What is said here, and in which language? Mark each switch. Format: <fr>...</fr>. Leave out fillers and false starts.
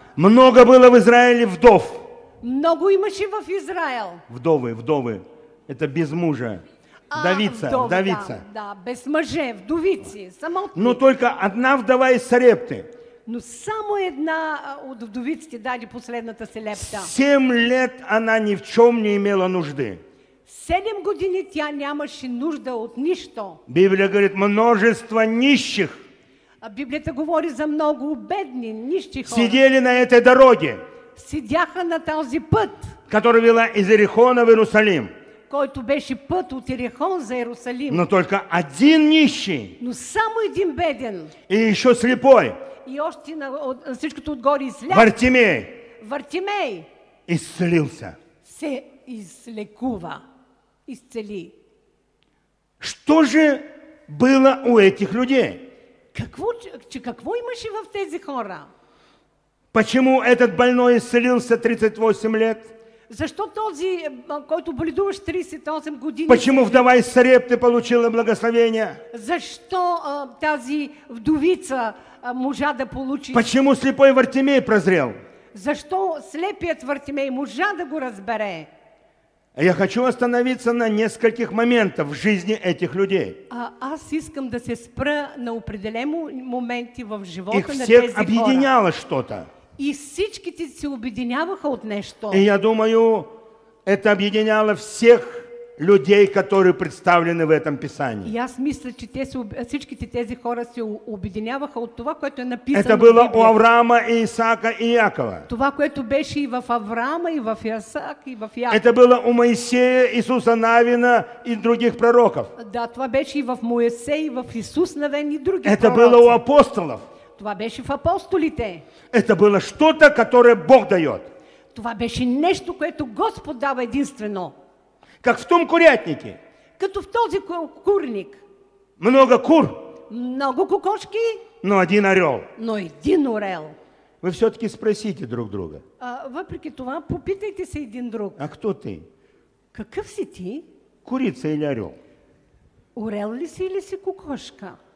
<ru>Много было в Израиле вдов.</ru> <bg>Много имаше в Израил.</bg> <ru>Вдовы, вдовы. Это без мужа. Вдовица, вдов, вдовица.</ru> <bg>Да, да, без мъже, вдовици. Самотни.</bg> <ru>Но только одна вдова из Сарепты.</ru> <bg>Но само една от вдовиците даде последната си лепта.</bg> <ru>7 лет она ни в чем не имела нужды.</ru> <bg>7 години тя нямаше нужда от нищо.</bg> <ru>Библия говорит, множество нищих.</ru> <bg>Библията говори за много бедни, нищи хора.</bg> <ru>Сидели на этой дороге.</ru> <bg>Сидяха на този път.</bg> <ru>Который вела из Иерихона в Иерусалим.</ru> <bg>Който беше път от Иерихон за Иерусалим.</bg> <ru>Но только один нищий.</ru> <bg>Но само един беден.</bg> <ru>И еще слепой.</ru> <bg>И още на, от, на всичкото отгоре и сляп.</bg> <ru>Вартимей. Вартимей. Исцелился.</ru> <bg>Се излекува. Исцели.</bg> <ru>Что же было у этих людей?</ru> <bg>Какво, че, какво имаше в тези хора?</bg> <ru>Почему этот больной исцелился 38 лет?</ru> <bg>Защо този, който боледуваш 38 години?</bg> <ru>Почему вдова из Сарепты получила благословение?</ru> <bg>Защо тази вдовица можа да получи?</bg> <ru>Почему слепой Вартимей прозрел?</ru> <bg>Защо слепият Вартимей можа да го разбере?</bg> <ru>Я хочу остановиться на нескольких моментах в жизни этих людей.</ru> <bg>Аз искам да се спра на определени моменти в живота их всех на тези объединяло хора.</bg> <ru>Что-то.</ru> <bg>И всичките се объединяваха от нещо.</bg> <ru>И я думаю, это объединяло всех людей, которые представлены в этом писании.</ru> <bg>И аз мисля, че те се, всичките тези хора се объединяваха от това, което е написано.</bg> <ru>Это было у Авраама, Исаака и Якова.</ru> <bg>Това, което беше и в Авраама, и в Исаак, и в Яков.</bg> <ru>Это было у Моисея, Иисуса Навина и других пророков.</ru> <bg>Да, това беше и в Моисей, и в Иисус Навин и други</bg> <ru>пророки. Это было у апостолов.</ru> <bg>Това беше в апостолите.</bg> <ru>Это было что-то, которое Бог дает.</ru> <bg>Това беше нещо, което Господ дава единствено.</bg> <ru>Как в том курятнике.</ru> <bg>Като в този курник.</bg> <ru>Много кур.</ru> <bg>Много кукошки.</bg> <ru>Но один орел.</ru> <bg>Но един орел.</bg> <ru>Вы все-таки спросите друг друга.</ru> <bg>А, вопреки това, попитайте се един друг.</bg> <ru>А кто ты?</ru> <bg>Какъв си ти?</bg> <ru>Курица или орел?</ru> <bg>Орел ли си или си кукошка?</bg>